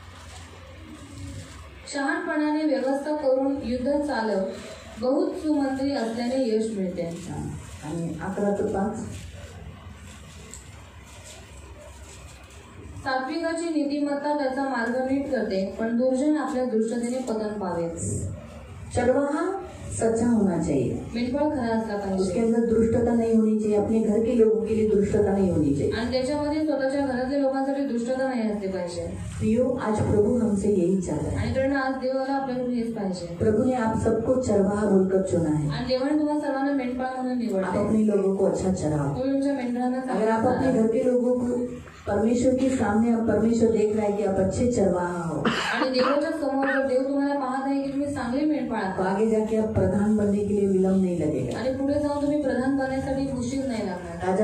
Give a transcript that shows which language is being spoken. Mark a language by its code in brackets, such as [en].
[mr] 24:6 शहाणपणाने व्यवस्था करून युद्ध चालव, बहुत सुमंत्री असल्याने यश मिळते. आणि 11:5 सात्विकाची नीतिमत्ता त्याचा मार्ग नीट करते, पण दुर्जन आपल्या दुष्टतेने पतन पावेल. [hi] चरवाहा सच्चा होना चाहिए, [mr] मेंढपाळ खरा असला पाहिजे. [hi] उसके अंदर दुष्टता नहीं होनी चाहिए, अपने घर के लोगों के लिए दुष्टता नहीं होनी चाहिए. [mr] आणि त्याच्यामध्ये स्वतःच्या घरातल्या लोकांसाठी दुष्टता नाही असली पाहिजे. [hi] प्रियो, आज प्रभु हमसे यही चाहता है. [mr] आणि कारण आज देवाला आपल्याकडून हेच पाहिजे. [hi] प्रभु ने आप सबको चरवाहा बोलकर चुना है. [mr] आणि देवाने तुम्हाला सर्वांना मेंढपाळ म्हणून निवडले. [hi] आप अपने लोगों को अच्छा चराओ. [mr] तुम्ही तुमच्या मेंढरांना, [hi] अगर आप अपने घर के लोगों को परमेश्वर के सामने, अब परमेश्वर देख रहा है कि आप अच्छे चरवाहा हो. [mr] आणि देवाच्या समोर देव तुम्हाला पाहत आहे की तुम्ही चांगले मेंढपाळ आहात. [hi] आगे जाके आप प्रधान बनने के लिए विलंब नहीं लगेगा. [mr] आणि पुढे जाऊन तुम्ही प्रधान बनण्यासाठी उशीर नाही लागणार.